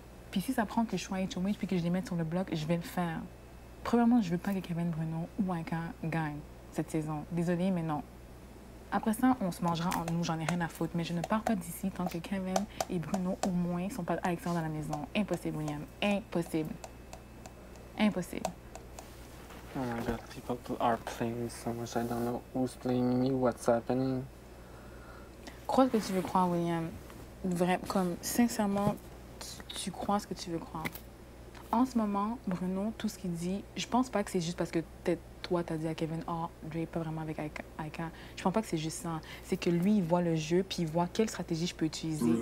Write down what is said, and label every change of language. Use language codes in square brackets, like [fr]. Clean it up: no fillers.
[fr] Puis si ça prend que je sois à HOH puis que je les mette sur le bloc, je vais le faire. Premièrement, je veux pas que Kevin Bruno ou Anka gagnent cette saison. Désolée, mais non. Après ça, on se mangera en nous, j'en ai rien à foutre. Mais je ne pars pas d'ici tant que Kevin et Bruno, au moins, sont pas Alexandre à la maison. Impossible, William. Impossible. Impossible. [en] Oh my God, people are playing so much. I don't know who's playing me, what's happening. [fr] Crois ce que tu veux croire, William. Vrai, comme, sincèrement, tu crois ce que tu veux croire. En ce moment, Bruno, tout ce qu'il dit, je pense pas que c'est juste parce que peut-être toi, t'as dit à Kevin, oh, Drake, pas vraiment avec Aika. Je pense pas que c'est juste ça. C'est que lui, il voit le jeu, puis il voit quelle stratégie je peux utiliser.